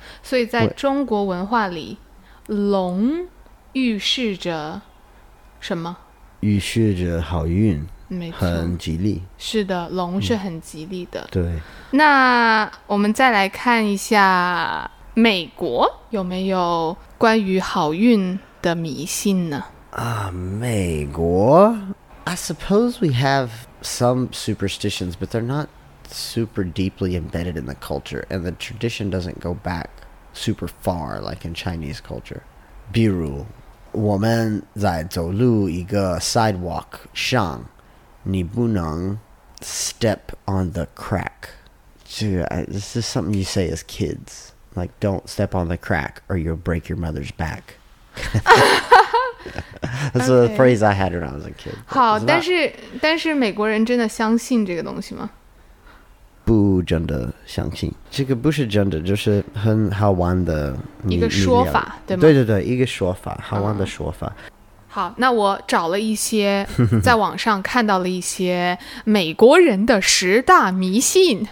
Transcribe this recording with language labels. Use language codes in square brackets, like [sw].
[zh] 所以在中国文化里，龙预示着什么？预示着好运。没错，很吉利。是的，龙是很吉利的。对。那我们再来看一下美国有没有关于好运的迷信呢？美国 [en] I suppose we have some superstitions, but they're notsuper deeply embedded in the culture, and the tradition doesn't go back super far like in Chinese culture. [zh] 比如我们在走路一个 sidewalk 上，你不能 [en] step on the crack. This is something you say as kids, like don't step on the crack or you'll break your mother's back. That's a phrase I had when I was a kid. [zh] 好，但是美国人真的相信这个东西吗？不真的相信，这个不是真的，就是很好玩的一个说法，对吗？对对对，一个说法，好玩的说法。好，那我找了一些，在网上看到了一些美国人的十大迷信。